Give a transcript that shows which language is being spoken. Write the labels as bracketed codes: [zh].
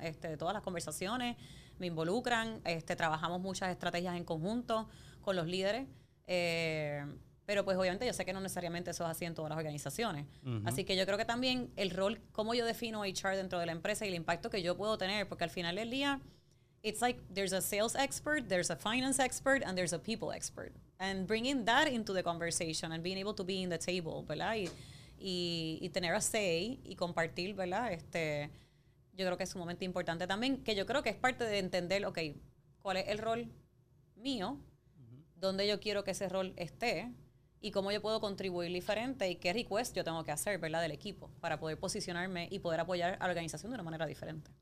[es] De todas las conversaciones, me involucran, trabajamos muchas estrategias en conjunto con los líderes. Pero pues obviamente yo sé que no necesariamente eso es así en todas las organizaciones. Uh-huh. Así que yo creo que también el rol, cómo yo defino HR dentro de la empresa y el impacto que yo puedo tener, porque al final del día, [en] it's like there's a sales expert, there's a finance expert, and there's a people expert. And bringing that into the conversation and being able to be in the table, [es] ¿verdad? Y tener a say y compartir, ¿verdad? Yo creo que es sumamente importante también, que yo creo que es parte de entender, ok, ¿cuál es el rol mío? ¿Dónde yo quiero que ese rol esté? ¿Y cómo yo puedo contribuir diferente? ¿Y qué request yo tengo que hacer, ¿verdad?, del equipo para poder posicionarme y poder apoyar a la organización de una manera diferente?